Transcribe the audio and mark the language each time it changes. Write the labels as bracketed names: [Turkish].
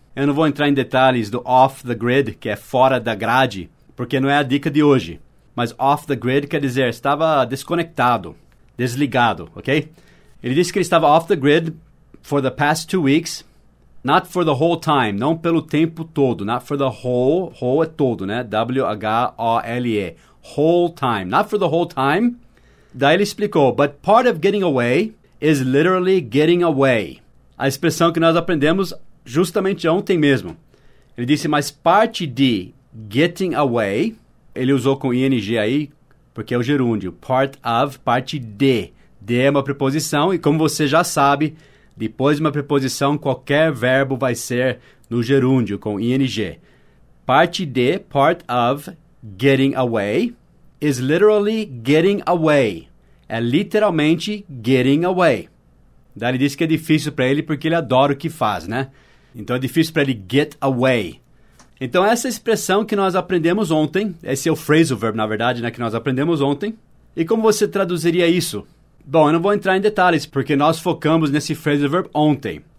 [Portuguese] Eu não vou entrar em detalhes do off the grid, que é fora da grade, porque não é a dica de hoje. Mas off the grid quer dizer, estava desconectado, desligado, ok? Ele disse que ele estava [English] off the grid for the past 2 weeks, not for the whole time, [Portuguese] não pelo tempo todo, [English] not for the whole, whole [Portuguese] é todo, né? [English] W-H-O-L-E, whole time, not for the whole time. [Portuguese] Daí ele explicou, [English] but part of getting away is literally getting away. [Portuguese] A expressão que nós aprendemos justamente ontem mesmo. Ele disse, mas parte de getting away, ele usou com ing aí, porque é o gerúndio, part of, parte de. De é uma preposição, e como você já sabe, depois de uma preposição, qualquer verbo vai ser no gerúndio, com ing. Parte de, [English] part of, getting away, is literally getting away. [Portuguese] É literalmente getting away. Daí ele disse que é difícil para ele, porque ele adora o que faz, né? Então é difícil para ele get away. Então essa expressão que nós aprendemos ontem, esse é o phrasal verb, na verdade, né, que nós aprendemos ontem. E como você traduziria isso? Bom, eu não vou entrar em detalhes, porque nós focamos nesse phrasal verb ontem.